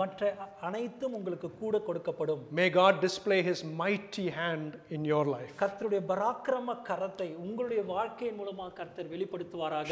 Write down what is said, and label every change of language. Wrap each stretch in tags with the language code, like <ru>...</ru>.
<ta>மற்ற அனைத்தும் உங்களுக்கு கூட கொடுக்கப்படும்.</ta> <en>May God display his mighty hand in your life.</en> <ta>கர்த்தருடைய பராக்கிரம கரத்தை உங்களுடைய வாழ்க்கையின் மூலமாக கர்த்தர் வெளிப்படுத்துவாராக.</ta>